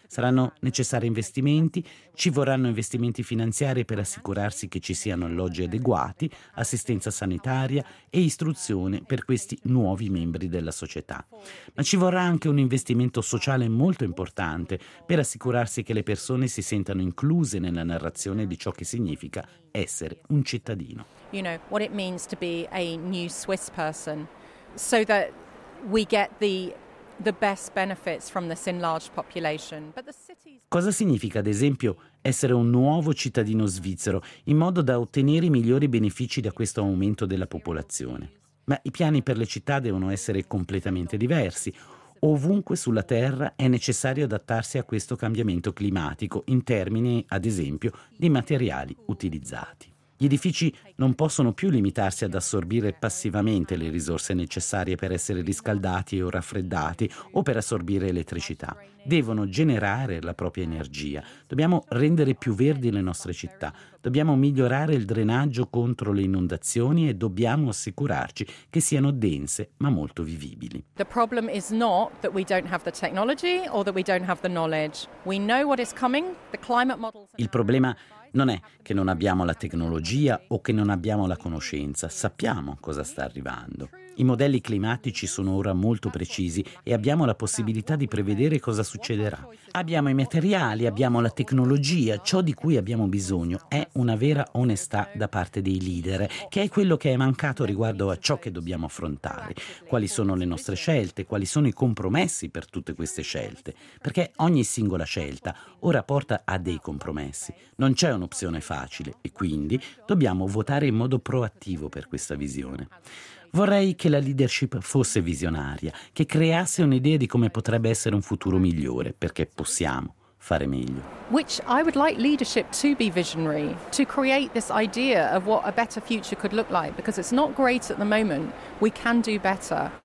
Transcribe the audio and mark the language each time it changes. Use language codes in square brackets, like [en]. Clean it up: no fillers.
[it] Saranno necessari investimenti, ci vorranno investimenti finanziari per assicurarsi che ci siano alloggi adeguati, assistenza sanitaria e istruzione per questi nuovi membri della società. Ma ci vorrà anche un investimento sociale molto importante per assicurarsi che le persone si sentano incluse nella narrazione di ciò che significa essere un cittadino. [en] You know what it means to be a new Swiss person, so that we get the best benefits from this enlarged population. But the cities. [it] Cosa significa, ad esempio, essere un nuovo cittadino svizzero, in modo da ottenere i migliori benefici da questo aumento della popolazione? Ma i piani per le città devono essere completamente diversi. Ovunque sulla Terra è necessario adattarsi a questo cambiamento climatico, in termini, ad esempio, di materiali utilizzati. Gli edifici non possono più limitarsi ad assorbire passivamente le risorse necessarie per essere riscaldati o raffreddati o per assorbire elettricità. Devono generare la propria energia. Dobbiamo rendere più verdi le nostre città. Dobbiamo migliorare il drenaggio contro le inondazioni e dobbiamo assicurarci che siano dense ma molto vivibili. [en] The problem is not that we don't have the technology or that we don't have the knowledge. We know what is coming. The climate models. [it] Il problema Non è che non abbiamo la tecnologia o che non abbiamo la conoscenza, sappiamo cosa sta arrivando. I modelli climatici sono ora molto precisi e abbiamo la possibilità di prevedere cosa succederà. Abbiamo i materiali, abbiamo la tecnologia, ciò di cui abbiamo bisogno è una vera onestà da parte dei leader, che è quello che è mancato riguardo a ciò che dobbiamo affrontare, quali sono le nostre scelte, quali sono i compromessi per tutte queste scelte, perché ogni singola scelta ora porta a dei compromessi. Non c'è un'opzione facile e quindi dobbiamo votare in modo proattivo per questa visione. Vorrei che la leadership fosse visionaria, che creasse un'idea di come potrebbe essere un futuro migliore, perché possiamo fare meglio. [en] Which I would like leadership to be visionary, to create this idea of what a better future could look like, because it's not great at the moment. We can do better.